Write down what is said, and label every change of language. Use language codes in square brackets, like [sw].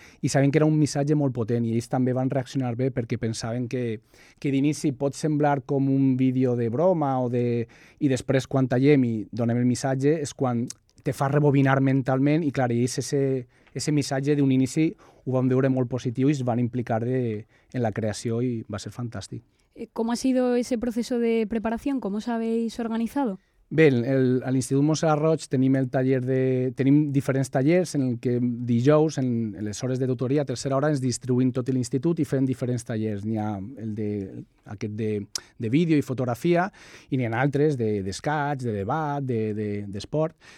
[ca] I sabem que era un missatge molt potent i ells també van reaccionar bé perquè pensaven que d'inici pot semblar com un vídeo de broma i després quan tallem i donem el missatge és quan te fa rebobinar mentalment i clar, ells ese missatge d'un inici ho van veure molt positiu i es van implicar en la creació i va ser fantàstic. [es] ¿Cómo ha sido ese proceso de preparación? ¿Cómo os habéis organizado? [ca] Bé, a l'Institut Mossèn Roig tenim diferents tallers en què dijous, en les hores de tutoria, a tercera hora, ens distribuïm tot l'institut i fem diferents tallers. N'hi ha aquest de vídeo i fotografia i n'hi ha altres d'escaig, de debat, d'esport.